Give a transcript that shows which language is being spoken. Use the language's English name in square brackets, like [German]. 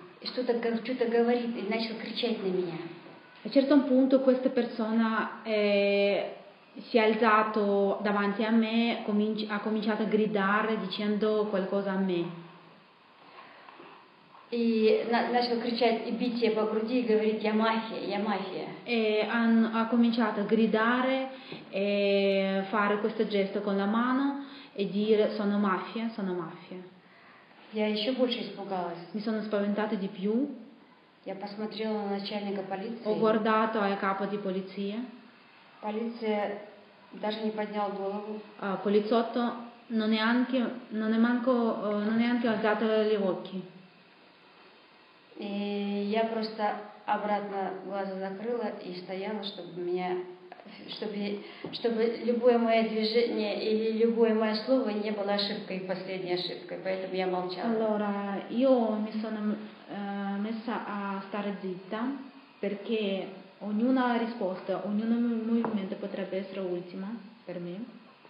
[Russian] Что-то говорит и начал кричать на меня. [Italian] A certo punto questa persona si è alzato davanti a me, ha cominciato a gridare dicendo qualcosa a me. [Russian] И начал кричать и бить ее по груди и говорит: я мафия, я мафия. [Italian] E ha cominciato a gridare e fare questo gesto con la mano e dire: sono mafia, sono mafia. [Russian] Я еще больше испугалась. [Italian] Mi sono spaventata di più. [Russian] Я посмотрела на начальника полиции. [Italian] Ho guardato al capo di polizia. [Russian] Полиция даже не подняла голову. [Ukrainian] Поліцейський [Italian] non è neanche alzato gli occhi. [Russian] И я просто обратно глаза закрыла и стояла, чтобы меня, чтобы любое мое движение или любое мое слово не было ошибкой, последней ошибкой, поэтому я молчала. [Italian] Allora, io mi sono messa a stare zitta perché ognuna risposta, ognuno movimento potrebbe essere ultima per me.